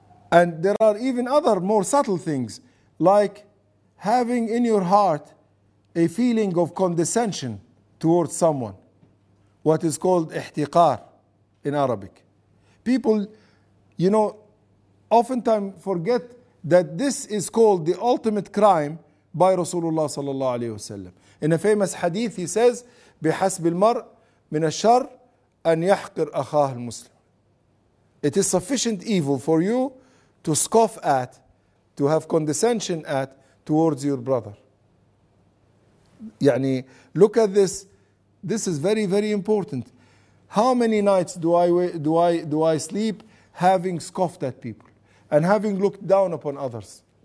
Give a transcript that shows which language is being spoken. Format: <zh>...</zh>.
<en>And there are even other more subtle things, like having in your heart a feeling of condescension towards someone, what is called ihtiqar in Arabic. People, you know, oftentimes forget that this is called the ultimate crime by Rasulullah sallallahu alayhi wasallam. In a famous hadith, he says,</en> <ar>"بحسب المرء من الشر أن يحقر أخاه المسلم."</ar> <en>It is sufficient evil for you to scoff at, to have condescension at towards your brother. يعني, look at this. This is very, very important. How many nights do I sleep having scoffed at people and having looked down upon others?</en>